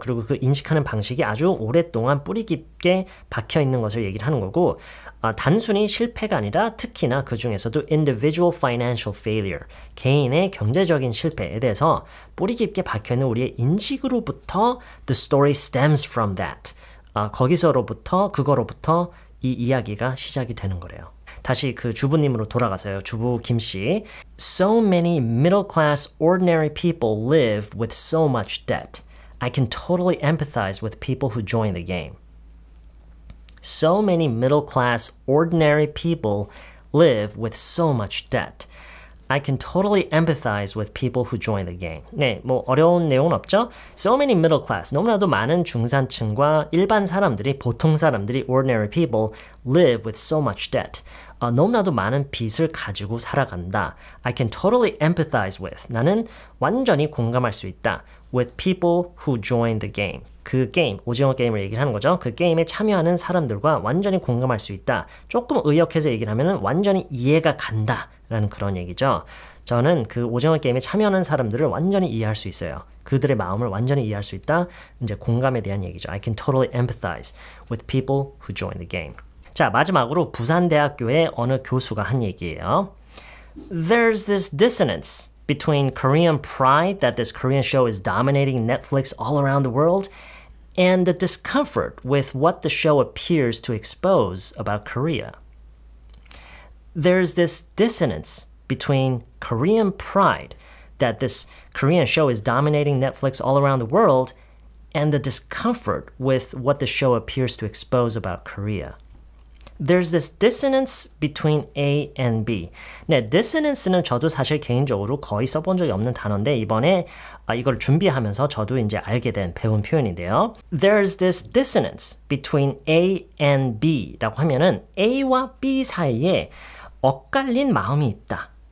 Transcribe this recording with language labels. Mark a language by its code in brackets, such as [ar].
[ko] 그리고 그 인식하는 방식이 아주 오랫동안 뿌리 깊게 박혀 있는 것을 얘기를 하는 거고, 단순히 실패가 아니라 특히나 그 중에서도 [en] individual financial failure, [ko] 개인의 경제적인 실패에 대해서 뿌리 깊게 박혀 있는 우리의 인식으로부터 [en] the story stems from that. [ko] 거기서로부터, 그거로부터 이 이야기가 시작이 되는 거래요. 다시 그 주부님으로 돌아가세요. 주부 김 씨. [en] So many middle class ordinary people live with so much debt. I can totally empathize with people who join the game. So many middle class ordinary people live with so much debt. I can totally empathize with people who join the gang. [ko] 네, 뭐 어려운 내용은 없죠? [en] So many middle class, [ko] 너무나도 많은 중산층과 일반 사람들이, 보통 사람들이, [en] ordinary people, live with so much debt. [ko] 너무나도 많은 빚을 가지고 살아간다. [en] I can totally empathize with. [ko] 나는 완전히 공감할 수 있다. [en] With people who join the game. [ko] 그 게임, 오징어 게임을 얘기를 하는 거죠. 그 게임에 참여하는 사람들과 완전히 공감할 수 있다. 조금 의역해서 얘기를 하면은 완전히 이해가 간다. 라는 그런 얘기죠. 저는 그 오징어 게임에 참여하는 사람들을 완전히 이해할 수 있어요. 그들의 마음을 완전히 이해할 수 있다. 이제 공감에 대한 얘기죠. [en] I can totally empathize with people who join the game. [ko] 자, 마지막으로 부산대학교의 어느 교수가 한 얘기예요. [en] There's this dissonance between Korean pride that this Korean show is dominating Netflix all around the world and the discomfort with what the show appears to expose about Korea. There's this dissonance between Korean pride that this Korean show is dominating Netflix all around the world and the discomfort with what the show appears to expose about Korea. There's this dissonance between A and B. [ko] 네, dissonance는 저도 사실 개인적으로 거의 써본 적이 없는 단어인데 이번에 이걸 준비하면서 저도 이제 알게 된 배운 표현인데요. [en] There's this dissonance between A and B [ko] 라고 하면은 A와 B 사이에 엇갈린 마음이 있다.